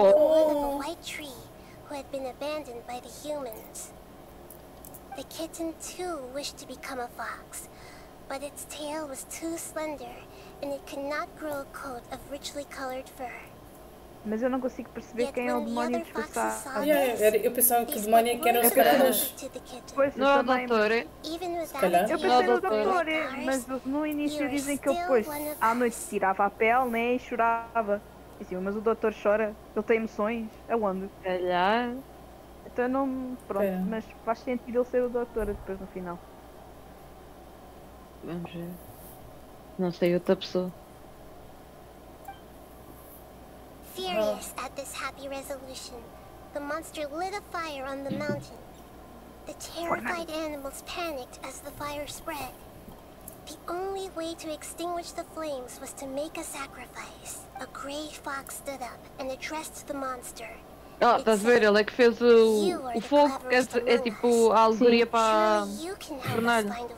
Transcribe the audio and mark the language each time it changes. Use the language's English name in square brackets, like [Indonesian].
[English] Who had been abandoned by the humans. The kitten too wished to become a fox, but its tail was too slender and it could not grow a coat of richly colored fur. [Portuguese] Mas eu não consigo perceber quem é o demônio disfarçado. Eu pensava que o demônio que era o Scaramouche. Não é o doutor. Eu pensei no doutor, mas no início dizem que depois à noite tirava a pele, né, e chorava. Mas o doutor chora, ele tem emoções, aonde? Calhar. Então não. Pronto, é. Mas faz sentido ele ser o doutor depois no final. Vamos ver. Não sei, outra pessoa. [English] Furious at this happy resolution, the monster lit a fire on the mountain. The terrified animals panicked as the fire spread. The only way to extinguish the flames was to make a sacrifice. A gray fox stood up and addressed the monster. [Portuguese] Ah, estás a ver? Ele é que fez o fogo, que é tipo a alegoria para o Fernando.